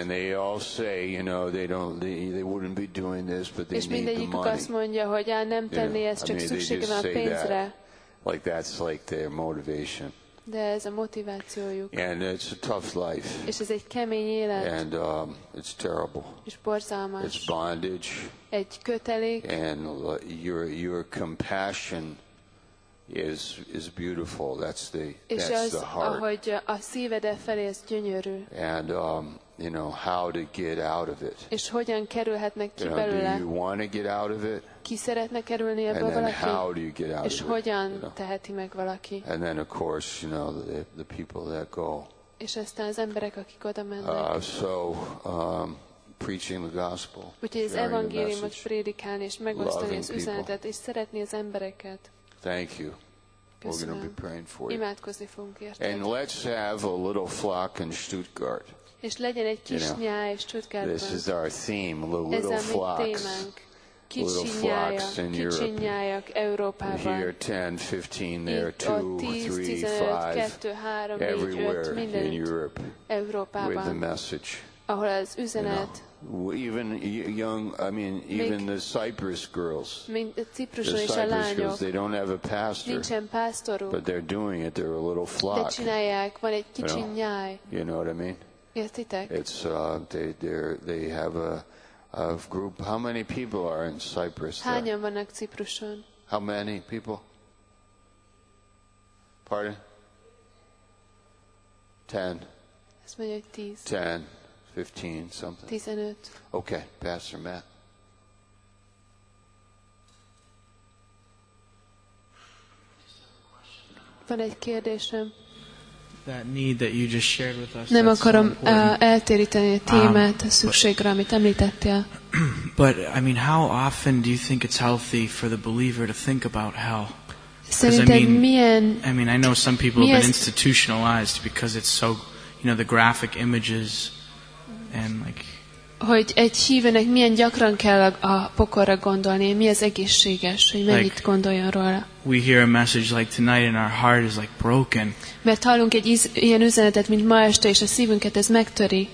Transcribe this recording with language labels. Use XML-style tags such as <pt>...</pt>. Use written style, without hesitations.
<en>And they all say, you know, they wouldn't be doing this, but they</en> <hu>és És mindegyikük azt mondja, hogy nem tenné ezt, csak szüksége van a pénzre.</hu> <en>Like that's like their motivation.</en> <hu>De ez a motivációjuk.</hu> <en>And it's a tough life.</en> <hu>És ez egy kemény élet.</hu> <en>And it's terrible.</en> <hu>És borzalmas.</hu> <en>It's bondage.</en> <hu>Egy kötelék.</hu> <en>And your compassion is beautiful. That's the</en> <hu>és</hu> <en>that's</en> <hu>az,</hu> <en>the heart.</en> <hu>Ahogy a szíved felé ez gyönyörű.</hu> <en>And you know how to get out of it.</en> <hu>És hogyan kerülhetnek ki belőle?</hu> <en>Do you want to get out of it?</en> <hu>Ki szeretne kerülni ebből valaki?</hu> <en>How do you get out</en> <hu>és</hu> <en>of it,</en> <hu>hogyan</hu> <en>you know?</en> <hu>Teheti meg valaki?</hu> <en>And then of course, you know, the people that go.</en> <hu>És aztán az emberek, akik oda mennek.</hu> <en>Preaching the gospel.</en> <hu>Úgyhogy az evangéliumot prédikálni és megosztani az üzenetet és szeretni az embereket.</hu> <en>Thank you.</en> <hu>Köszönöm.</hu> <en>We're going to be praying for</en> <hu>imádkozni fogunk érted.</hu> <en>And let's have a little flock in Stuttgart.</en> <hu>És legyen egy kis</hu> <en>you know,</en> <hu>nyáj Stuttgartban.</hu> <en>This is our theme, little flocks.</en> <hu>Kicsinyájak Európában.</hu> <en>Here 10, 15, there 2, 3, 5. Everywhere in Europe.</en> <hu>Európában.</hu> <en>With the message.</en> <hu>Ahol az üzenet.</hu> <en>You know, even young, I mean, even the Cyprus girls. The Cyprus girls,</en> <hu>a lányok,</hu> <en>they don't have a pastor.</en> <hu>Nincsen pásztoruk.</hu> <en>But they're doing it, they're a little flock.</en> <hu>De csinálják, van egy kicsi nyáj.</hu> <en>You know what I mean?</en> <hu>Értitek?</hu> <en>It's, they have a of group. How many people are in Cyprus?</en> <hu>Hányan vannak Cipruson?</hu> <en>How many people? Pardon? 10.</en> <hu>Ez mondja, hogy 10.</hu> <en>10, 15, something. 15. Okay, Pastor Matt.</en> <hu>Van egy kérdésem.</hu> <en>That need that you just shared with us.</en> <hu>Nem akarom eltéríteni a témát, a szükségre, amit említettél.</hu> <en>But I mean, how often do you think it's healthy for the believer to think about hell? I mean, I know some people have been institutionalized because it's so, you know, the graphic images. and like</en> <hu>hogy egy hívőnek milyen gyakran kell a pokorra gondolni, mi az egészséges, hogy mennyit like, gondoljon róla.</hu> <en>We hear a message like tonight and our heart is like broken.</en> <hu>Mert hallunk egy ilyen üzenetet, mint ma este, és a szívünket ez megtöri.</hu>